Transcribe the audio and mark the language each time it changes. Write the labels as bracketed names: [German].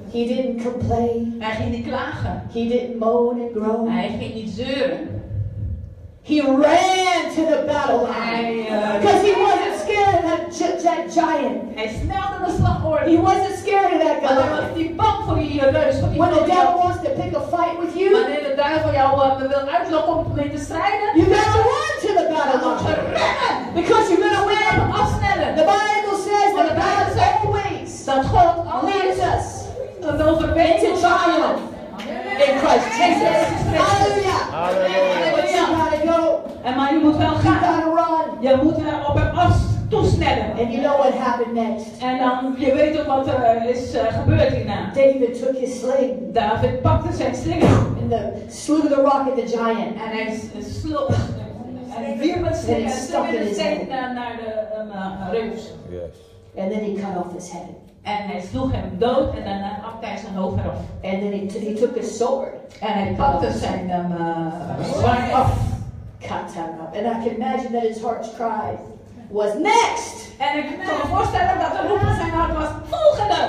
[English] He didn't complain. [Dutch] Hij ging niet klagen. [English] He didn't moan and groan. [Dutch] Hij ging niet zeuren. [English] He ran to the battle line. Because he wasn't scared of that giant. [Dutch] Hij snelde naar de slagorde. [English] He wasn't scared of that guy. [Dutch] Maar was niet bang voor die reus. [English] When the devil wants to pick a fight with you. [Dutch] Wanneer de duivel jou wil uitlokken om mee te strijden. [English] You gotta run to the battle line. [Dutch] Je moet rennen. [English] Because you're gonna win. [Dutch] Je moet afsnellen. [English] The Bible says that God is always. [Dutch] Dat God [English] leads us. [Dutch] Een overwinning [English] to triumph. In Christ Jesus. Hallelujah. Hallelujah. [Dutch] En maar je moet wel gaan. [English] You gotta run. [Dutch] Je moet er op hem af toesnellen. [English] And you know what happened next. [Dutch] En dan je weet ook wat er is gebeurd hierna. [English] David took his sling. [Dutch] David pakte zijn slinger. [English] And the slew the rock at the giant. [Dutch] En hij sloeg. En hij wierp het slinger en stak het naar de reus. [English] Yes. And then he cut off his head. [Dutch] En hij sloeg hem dood en daarna hakte hij zijn hoofd eraf. [English] And then he took his sword. [Dutch] En hij pakte zijn zwaard af. [English] Cut him up. And I can imagine that his heart's cry was next. [Dutch] En ik kan me voorstellen dat de roep van zijn hart was volgende.